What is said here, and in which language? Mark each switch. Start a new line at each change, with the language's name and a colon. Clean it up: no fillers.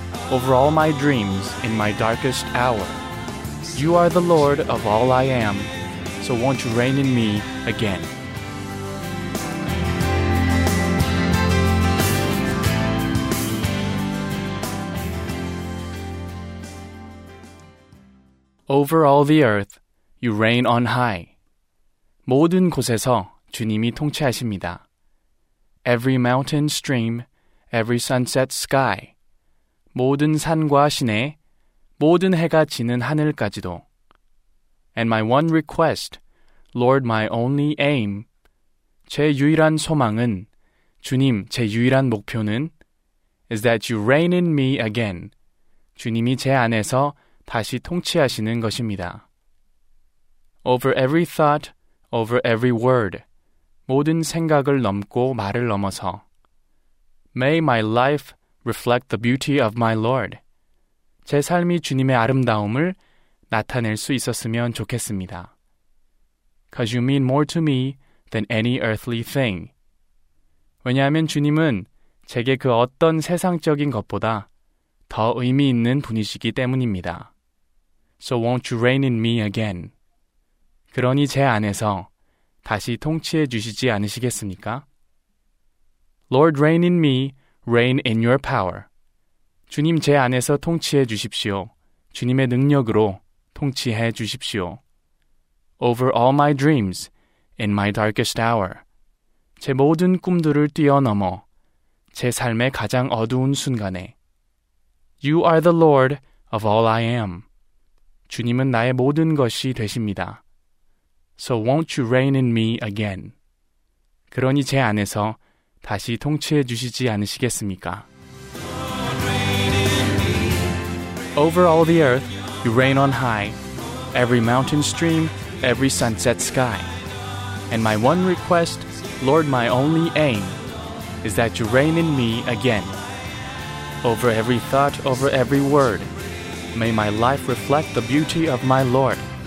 English: Over all my dreams in my darkest hour. You are the Lord of all I am, so won't you reign in me again? Over all the earth, you reign on high.
Korean: 모든 곳에서 주님이 통치하십니다.
English: Every mountain stream, every sunset sky,
Korean: 모든 산과 시내, 모든 해가 지는 하늘까지도.
English: And my one request, Lord, my only aim,
Korean: 제 유일한 소망은, 주님, 제 유일한 목표는,
English: is that you reign in me again,
Korean: 주님이 제 안에서 다시 통치하시는 것입니다.
English: Over every thought, over every word,
Korean: 모든 생각을 넘고 말을 넘어서,
English: May my life reflect the beauty of my Lord.
Korean: 제 삶이 주님의 아름다움을 나타낼 수 있었으면 좋겠습니다.
English: 'Cause you mean more to me than any earthly thing.
Korean: 왜냐하면 주님은 제게 그 어떤 세상적인 것보다 더 의미 있는 분이시기 때문입니다.
English: So won't you reign in me again?
Korean: 그러니 제 안에서 다시 통치해 주시지 않으시겠습니까?
English: Lord, reign in me, reign in your power.
Korean: 주님 제 안에서 통치해 주십시오. 주님의 능력으로 통치해 주십시오.
English: Over all my dreams, in my darkest hour.
Korean: 제 모든 꿈들을 뛰어넘어 제 삶의 가장 어두운 순간에.
English: You are the Lord of all I am.
Korean: 주님은 나의 모든 것이 되십니다.
English: So won't you reign in me again?
Korean: 그러니 제 안에서 다시 통치해 주시지 않으시겠습니까?
English: Over all the earth, you reign on high. Every mountain stream, every sunset sky. And my one request, Lord, my only aim, is that you reign in me again. Over every thought, over every word, may my life reflect the beauty of my Lord.